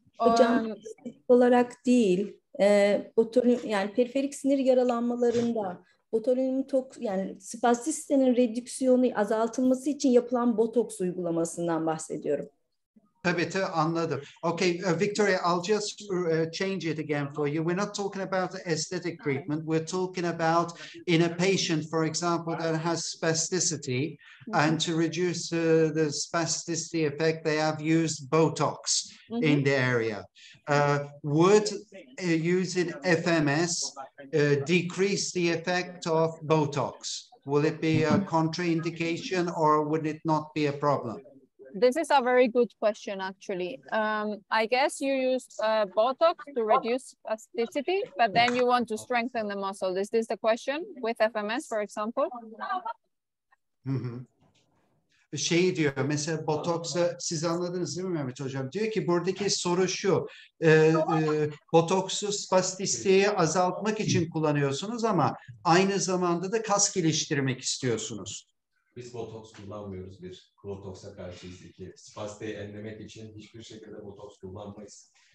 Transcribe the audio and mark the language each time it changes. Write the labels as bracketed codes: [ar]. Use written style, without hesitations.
[tr] Hocam olarak değil, botulinum, yani periferik sinir yaralanmalarında botulinum yani spastisitenin redüksiyonu azaltılması için yapılan botoks uygulamasından bahsediyorum. Tabii anladım. [en] Okay, Victoria, I'll just change it again for you. We're not talking about aesthetic treatment. We're talking about in a patient, for example, that has spasticity, and to reduce the spasticity effect, they have used Botox in the area. Would using FMS decrease the effect of Botox? Will it be a contraindication, or would it not be a problem? This is a very good question, actually. I guess you use Botox to reduce spasticity, but then you want to strengthen the muscle. Is this the question with FMS, for example? [tr] Şey diyor, mesela Botox'a, siz anladınız değil mi Mehmet Hocam? Diyor ki buradaki soru şu, Botox'u spastisiteyi azaltmak için kullanıyorsunuz, ama aynı zamanda da kas geliştirmek istiyorsunuz. Biz botoks kullanmıyoruz, bir botoksa karşıyız ki spastiği önlemek için hiçbir şekilde botoks kullanmayız.